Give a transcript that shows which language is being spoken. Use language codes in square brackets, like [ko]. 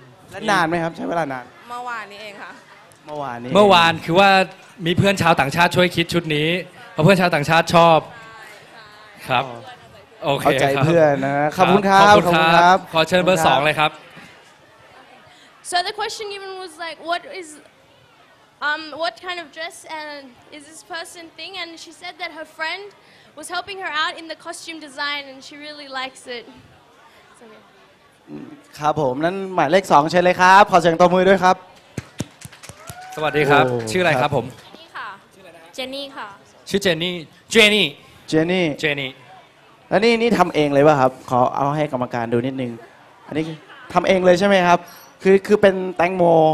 [th] แล้วนานไหมครับใช้เวลานาน เมื่อวานนี้เองค่ะ เมื่อวานนี้ เมื่อวานคือว่ามีเพื่อนชาวต่างชาติช่วยคิดชุดนี้เพราะเพื่อนชาวต่างชาติชอบครับโอเค เข้าใจเพื่อนนะขอบคุณครับ ขอบคุณครับขอเชิญเบอร์2เลยครับ [en] So the question given was like what is What kind of dress is this person thing? And she said that her friend was helping her out in the costume design and she really likes it. [th] ครับผมนั่นหมายเลข2เชิญเลยครับขอเสียงตบมือด้วยครับ สวัสดีครับชื่ออะไรครับผม เจนนี่ค่ะ ชื่อเจนนี่เจนนี่ เจนนี่ เจนนี่แล้วนี่ทำเองเลยป่ะครับขอเอาให้กรรมการดูนิดนึงอันนี้ทำเองเลยใช่ไหมครับคือเป็นแตงโม